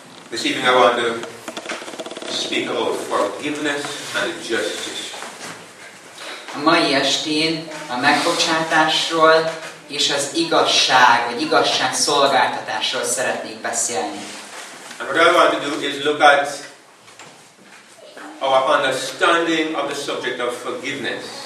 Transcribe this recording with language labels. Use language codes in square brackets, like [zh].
[en] This evening I want to speak about forgiveness and justice. [hu] A mai estén a megbocsátásról és az igazság, vagy igazság szolgáltatásról szeretnék beszélni. [en] And what I want to do is look at our understanding of the subject of forgiveness.